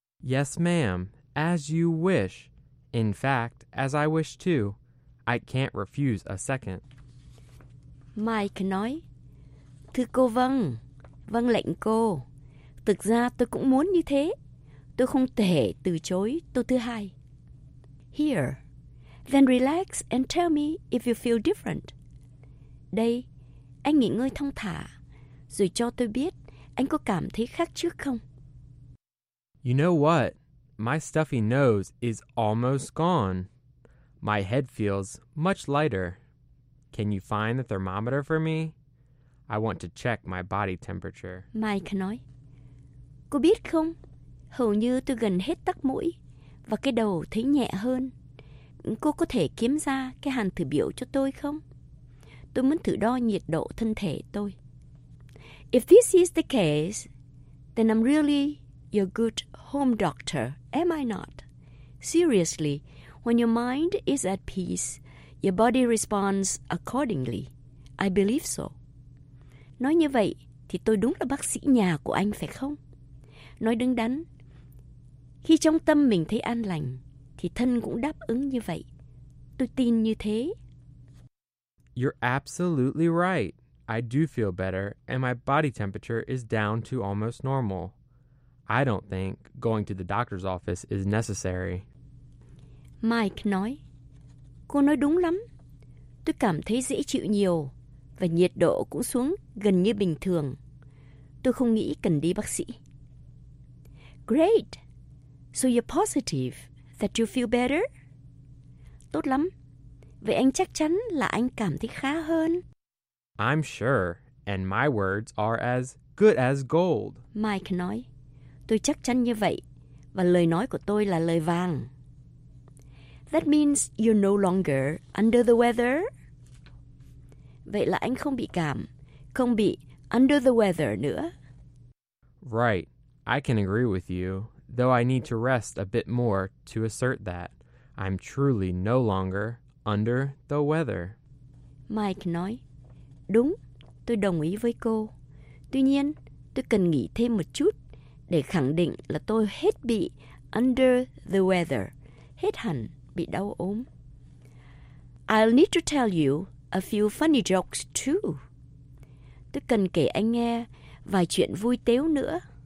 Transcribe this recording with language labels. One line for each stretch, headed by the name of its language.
English: Yes, ma'am. As you wish. In fact, as I wish too. I can't refuse a second.
Vietnamese: Mike nói, thưa cô vâng, vâng lệnh cô. Thực ra tôi cũng muốn như thế. Tôi không thể từ chối tô thứ hai.
English: Here. Then relax and tell me if you feel different.
Vietnamese: Đây, anh nghỉ ngơi thong thả. Rồi cho tôi biết anh có cảm thấy khác trước không?
English: You know what? My stuffy nose is almost gone. My head feels much lighter. Can you find the thermometer for me? I want to check my body temperature.
Vietnamese: Mike nói, cô biết không? Hầu như tôi gần hết tắc mũi và cái đầu thấy nhẹ hơn. Cô có thể kiếm ra cái hàn thử biểu cho tôi không? tôi muốn thử đo nhiệt độ thân thể tôi.
English: If this is the case, then I'm really your good home doctor, am I not? Seriously, when your mind is at peace, your body responds accordingly. I believe so.
Vietnamese: Nói như vậy, thì tôi đúng là bác sĩ nhà của anh, phải không? Nói đứng đắn. Khi trong tâm mình thấy an lành, thì thân cũng đáp ứng như vậy. Tôi tin như thế.
English: You're absolutely right. I do feel better, and my body temperature is down to almost normal. I don't think going to the doctor's office is necessary.
Vietnamese: Mike nói, cô nói đúng lắm. Tôi cảm thấy dễ chịu nhiều, và nhiệt độ cũng xuống gần như bình thường. Tôi không nghĩ cần đi bác sĩ.
English: Great! So you're positive that you feel better?
Vietnamese: Tốt lắm. Vậy anh chắc chắn là anh cảm thấy khá hơn.
English: I'm sure, and my words are as good as gold.
Vietnamese: Mike nói, tôi chắc chắn như vậy, và lời nói của tôi là lời vàng.
English: That means you're no longer under the weather.
Vietnamese: Vậy là anh không bị cảm, không bị
English: under the weather
Vietnamese: nữa.
English: Right, I can agree with you, though I need to rest a bit more to assert that. I'm truly no longer under the weather.
Vietnamese: Mike nói, đúng, tôi đồng ý với cô. Tuy nhiên, tôi cần nghỉ thêm một chút để khẳng định là tôi hết bị
English: under the weather,
Vietnamese: hết hẳn bị đau ốm.
English: I'll need to tell you a few funny jokes too.
Vietnamese: Tôi cần kể anh nghe vài chuyện vui tếu nữa.